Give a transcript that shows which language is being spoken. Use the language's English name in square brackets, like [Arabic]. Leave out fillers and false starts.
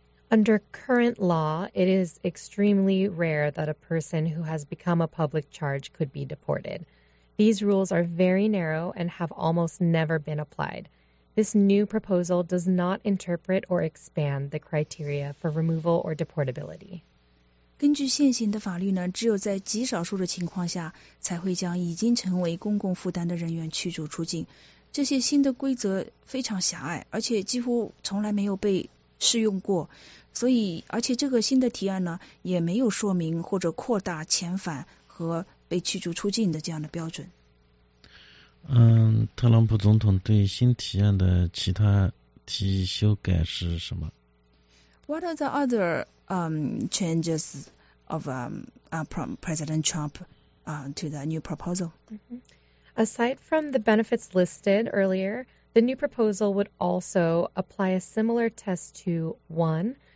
[English] Under current law, it is extremely rare that a person who has become a public charge could be deported. These rules are very narrow and have almost never been applied. This new proposal does not interpret or expand the criteria for removal or deportability. [Chinese] 根据现行的法律呢，只有在极少数的情况下才会将已经成为公共负担的人员驱逐出境。这些新的规则非常狭隘，而且几乎从来没有被试用过。所以，而且这个新的提案呢，也没有说明或者扩大遣返和被驱逐出境的这样的标准。特朗普总统对新提案的其他提议修改是什么 [English] ？What are the other changes of President Trump to the new proposal? Aside from the benefits listed earlier, the new proposal would also apply a similar test to 1.